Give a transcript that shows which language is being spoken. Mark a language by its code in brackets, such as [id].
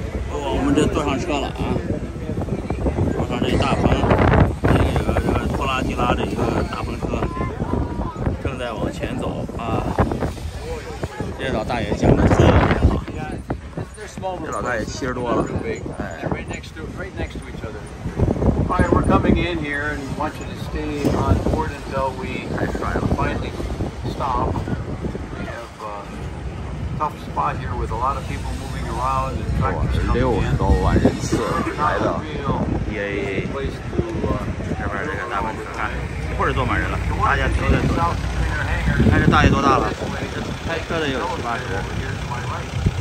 [zh] 我们这坐上车了啊，坐上这大篷，这个拖拉机拉着一个大篷车，正在往前走啊。这老大爷讲的特别好，这老大爷70多了，哎。 [en] All right, we're coming in here and want you to stay on board until we finally stop. We have a tough spot here with a lot of people moving around and tractors coming in. [zh] 60多万人次来的，耶！这边这个大巴车看，一会儿坐满人了，大家都在坐。看这大爷多大了，开车的也有70、80。